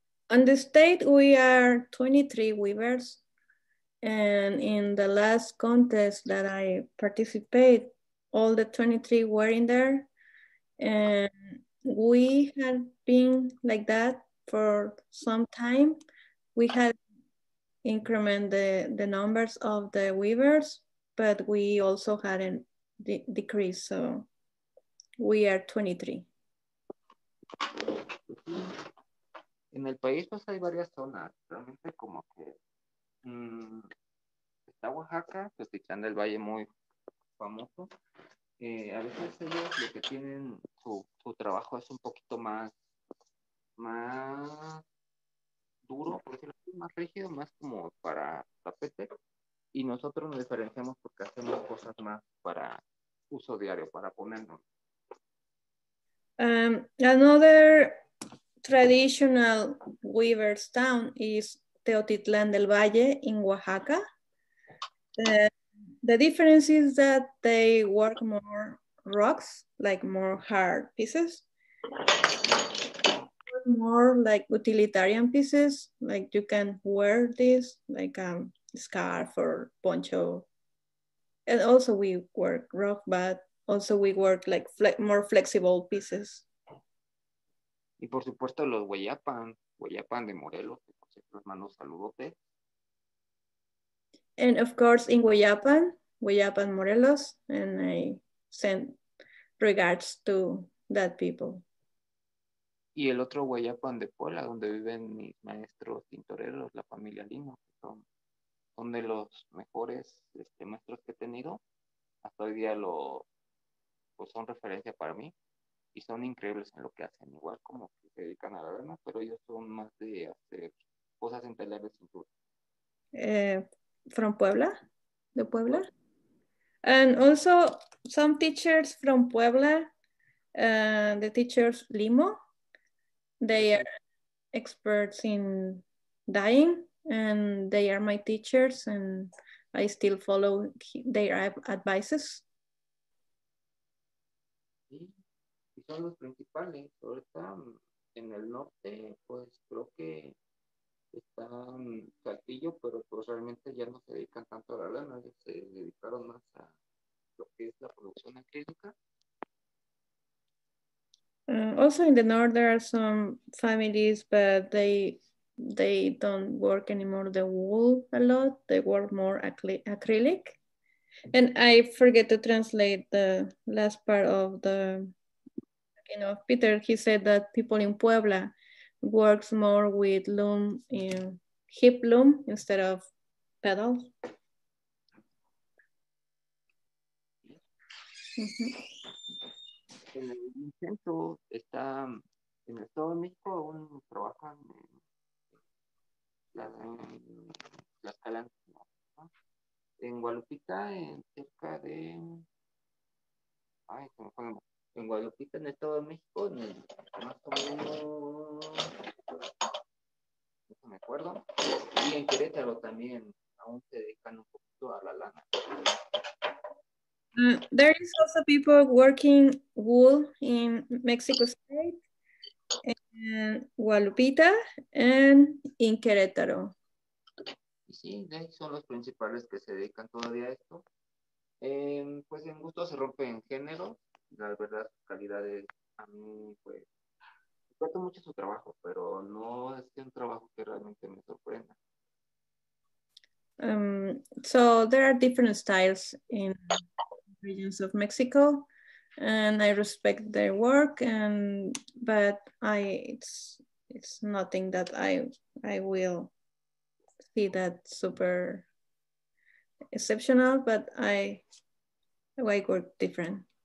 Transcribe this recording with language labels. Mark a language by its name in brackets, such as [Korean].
[English] On the state, we are 23 weavers, and in the last contest that I participated, all the 23 were in there, and we had been like that for some time. We had increment the numbers of the weavers, but we also had a decrease, so we are 23. [Spanish] En el país pues hay varias zonas, realmente como que está Oaxaca, pues Tichán del Valle muy famoso. A veces ellos lo que tienen, su trabajo es un poquito más más duro, por decirlo así, más rígido, más como para tapete. Y nosotros nos diferenciamos porque hacemos cosas más para uso diario, para ponernos. [English] Another traditional weaver's town is Teotitlán del Valle in Oaxaca. The difference is that they work more rocks, like more hard pieces. More like utilitarian pieces, like you can wear this, like a scarf or poncho. And also we work rock, but also we work like more flexible pieces. [Spanish] Y por supuesto los hueyapan, hueyapan de Morelos, que por cierto hermano, saludote. [English] And of course in Hueyapan, Hueyapan Morelos, and I send regards to that people. [Spanish] Y el otro Hueyapan de Puebla, donde viven mis maestros tintoreros, la familia Lino, que son de los mejores maestros que he tenido. Hasta hoy día pues son referencia para mí. Y son increíbles en lo que hacen, igual como que se dedican a la lana, pero ellos son más de hacer cosas en telar de cintura. [English] From Puebla, [Spanish] de Puebla. [English] And also some teachers from Puebla, the teachers Limo, they are experts in dyeing, and they are my teachers, and I still follow their advices. [Spanish] Son los principales, ahorita en el norte, pues creo que están Saltillo, pero pues realmente ya no se dedican tanto a la lana, ya se dedicaron más a lo que es la producción acrílica. [English] Also in the north there are some families, but they don't work anymore the wool a lot, they work more acrylic. And I forget to translate the last part of the, you know, Peter, he said that people in Puebla works more with loom, in hip loom instead of pedals. [Spanish] En el centro está, en el estado de México aún trabajan en las calandras, ¿no? En Guadalupita, en cerca de, ay, ¿cómo fue? En Guadalupita, en el estado de México, en el, más o menos, no me acuerdo, y en Querétaro también, aún se dedican un poquito a la lana. [English] There is also people working wool in Mexico State, in Guadalupita, and in Querétaro. [Spanish] Y sí, son los principales que se dedican todavía a esto. Pues en gusto se rompe en género. La verdad, calidades, a mí, pues, respeto mucho su trabajo, pero no es un trabajo que realmente me sorprenda. [English] So, there are different styles in regions of Mexico, and I respect their work, and but I it's nothing that I will see that super exceptional, but I work different.